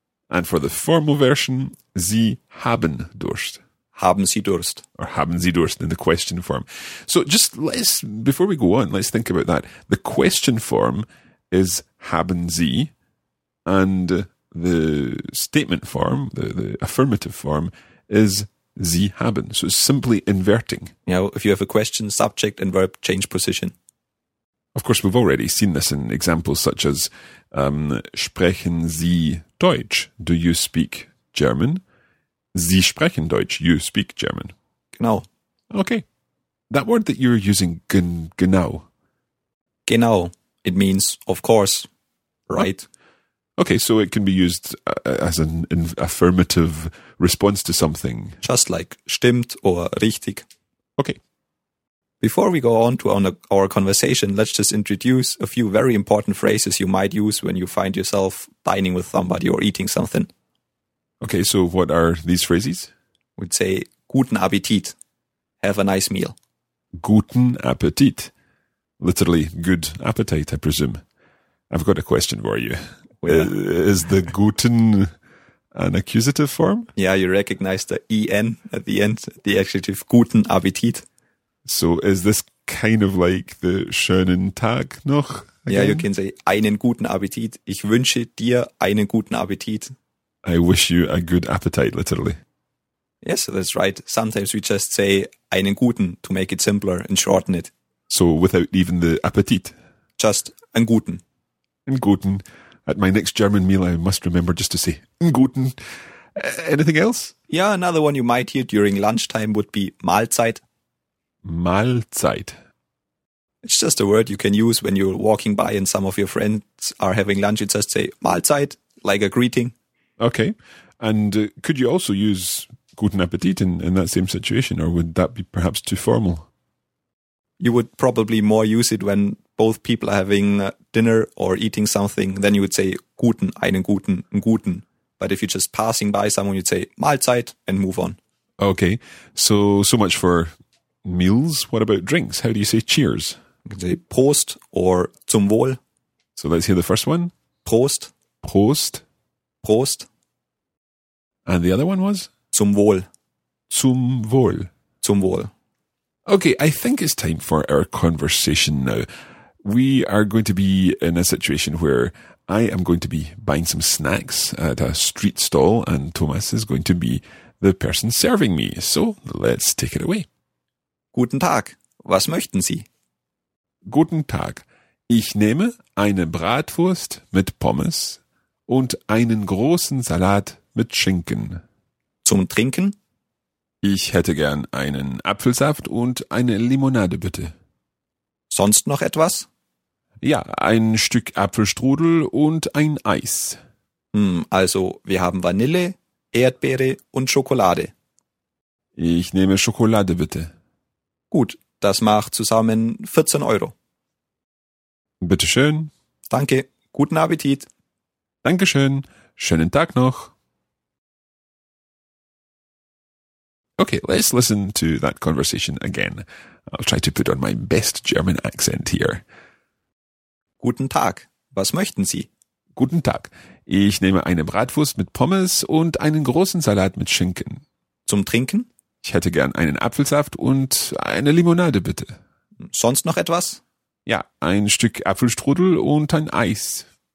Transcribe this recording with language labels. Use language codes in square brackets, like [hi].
[en] And for the formal version, [de] Sie haben Durst. Haben Sie Durst. [en] Or [de] haben Sie Durst [en] in the question form. So just let's, before we go on, let's think about that. The question form is [de] haben Sie, [en] and the statement form, the affirmative form, is [de] Sie haben. [en] So it's simply inverting. Yeah, well, if you have a question, subject and verb change position. Of course, we've already seen this in examples such as [de] sprechen Sie Deutsch? [en] Do you speak German? [de] Sie sprechen Deutsch. [en] You speak German. [de] Genau. [en] Okay. That word that you're using, genau. [de] Genau. [en] It means, of course, right. Okay, so it can be used as an affirmative response to something. Just like stimmt or richtig. Okay. Before we go on to our conversation, let's just introduce a few very important phrases you might use when you find yourself dining with somebody or eating something. Okay, so what are these phrases? We'd say, [de] guten Appetit. [en] Have a nice meal. [de] Guten Appetit. [en] Literally, good appetite, I presume. I've got a question for you. Is the guten an accusative form? Yeah, you recognize the en at the end, the adjective [de] guten Appetit. [en] So is this kind of like the [de] schönen Tag noch? [en] Again? Yeah, you can say [de] einen guten Appetit. Ich wünsche dir einen guten Appetit. [en] I wish you a good appetite, literally. Yes, that's right. Sometimes we just say [de] einen guten [en] to make it simpler and shorten it. So without even the appetit? Just [de] einen guten. Einen guten. [en] At my next German meal, I must remember just to say [de] einen guten. [en] Anything else? Yeah, another one you might hear during lunchtime would be Mahlzeit. [de] Mahlzeit. [en] It's just a word you can use when you're walking by and some of your friends are having lunch. You just say Mahlzeit, like a greeting. Okay. And could you also use [de] guten Appetit [en] in that same situation, or would that be perhaps too formal? You would probably more use it when both people are having dinner or eating something. Then you would say [de] guten, einen guten, einen guten. [en] But if you're just passing by someone, you'd say Mahlzeit and move on. Okay. So much for meals. What about drinks? How do you say cheers? You can say Prost or zum Wohl. So let's hear the first one. [de] Prost. Prost. Prost. [en] And the other one was? [de] Zum Wohl. Zum Wohl. Zum Wohl. [en] Okay, I think it's time for our conversation now. We are going to be in a situation where I am going to be buying some snacks at a street stall and Thomas is going to be the person serving me. So let's take it away. [de] Guten Tag, was möchten Sie? Guten Tag, ich nehme eine Bratwurst mit Pommes und einen großen Salat mit Schinken. Zum Trinken? Ich hätte gern einen Apfelsaft und eine Limonade, bitte. Sonst noch etwas? Ja, ein Stück Apfelstrudel und ein Eis. Also wir haben Vanille, Erdbeere und Schokolade. Ich nehme Schokolade, bitte. Gut, das macht zusammen 14 Euro. Bitteschön. Danke, guten Appetit. Dankeschön, schönen Tag noch. [en] Okay, let's listen to that conversation again. I'll try to put on my best German accent here. [de] Guten Tag, was möchten Sie? Guten Tag, ich nehme eine Bratwurst mit Pommes und einen großen Salat mit Schinken. Zum Trinken? Ich hätte gern einen Apfelsaft und eine Limonade, bitte. Sonst noch etwas? Ja, ein Stück Apfelstrudel und ein Eis.